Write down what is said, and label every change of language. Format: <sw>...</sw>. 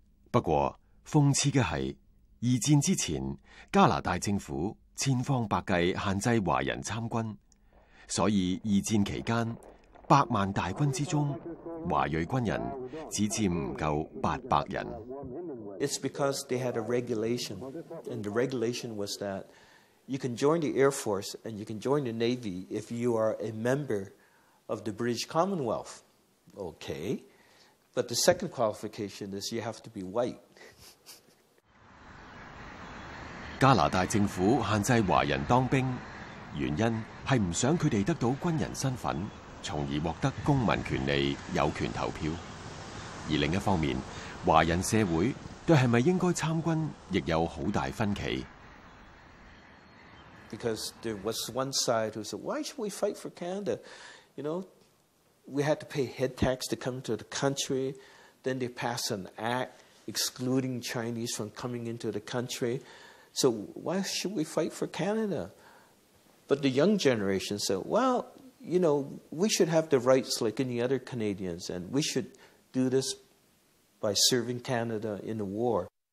<zh>不过讽刺的是，二战之前，加拿大政府千方百计限制华人参军，所以二战期间百万大军之中，华裔军人只占不够800人。</zh> <en>It's because they had a regulation, and the regulation was that you can join the Air Force and you can join the Navy if you are a member of the British Commonwealth. Okay, but the second qualification is you have to be white.</en> <zh>加拿大政府限制华人当兵，原因是不想他们得到军人身份，从而获得公民权利，有权投票。而另一方面，华人社会对是否应该参军亦有很大分歧。</zh> <en>Because there was one side who said, why should we fight for Canada? You know, we had to pay head tax to come to the country. Then they passed an act excluding Chinese from coming into the country. So why should we fight for Canada? But the young generation said, well, you know, we should have the rights like any other Canadians, and we should do this by serving Canada in the war.</en>